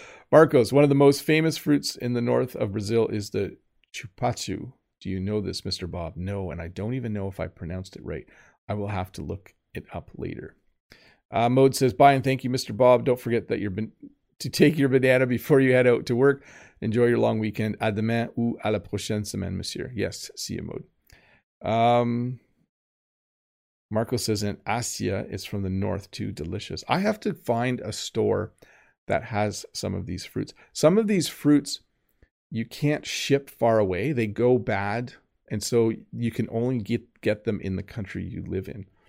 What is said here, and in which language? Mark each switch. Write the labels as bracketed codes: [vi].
[en] Marcos, one of the most famous fruits in the north of Brazil is the chupachu. Do you know this, Mr. Bob? No, and I don't even know if I pronounced it right. I will have to look it up later. Mode says, bye and thank you, Mr. Bob. Don't forget that to take your banana before you head out to work. Enjoy your long weekend. [fr] À demain ou à la prochaine semaine, monsieur. [en] Yes, see you, Mode. Marco says, in Asia, it's from the north too, delicious. I have to find a store that has some of these fruits. Some of these fruits, you can't ship far away. They go bad. And so you can only get them in the country you live in.